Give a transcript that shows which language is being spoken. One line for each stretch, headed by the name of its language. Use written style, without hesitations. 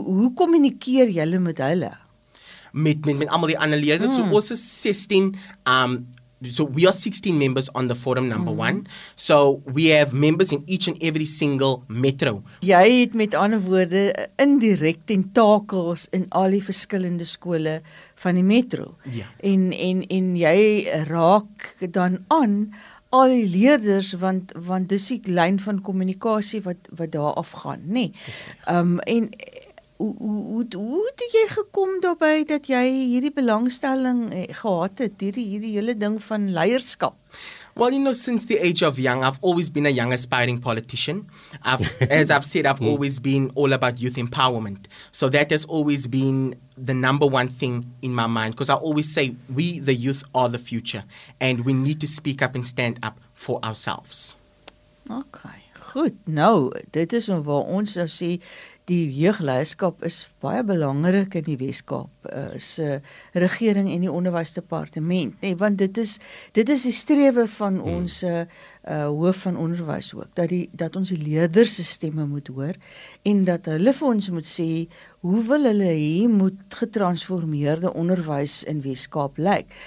Afrikaans: Hoe kommunikeer julle met hulle? Met almal die ander leders, so ons is 16
English: So we are 16 members on the forum number one. So we have members in each and every single metro.
Afrikaans: Jy het met ander woorde indirek tentakels in al die verskillende skole van die metro. Ja. En jy raak dan aan al die leerders, want dis die lyn van kommunikasie wat daar afgaan, nee. En hoe het jy gekom daarby dat jy hierdie belangstelling gehad het, hierdie hele ding van leierskap?
English: Well, you know, since the age of young, I've always been a young aspiring politician. As I've said, I've always been all about youth empowerment. So that has always been the number one thing in my mind, because I always say we, the youth, are the future and we need to speak up and stand up for ourselves.
Afrikaans: Okay, goed. Nou, dit is waar ons nou sê, die jeugleierskap is baie belangrik in die Weskaap, se regering en die onderwysdepartement, nee, want dit is die strewe van ons hoof van onderwys ook, dat ons die leerders se stemme moet hoor en dat hulle vir ons moet sê hoe wil hulle hê moet getransformeerde onderwys in Weskaap lyk.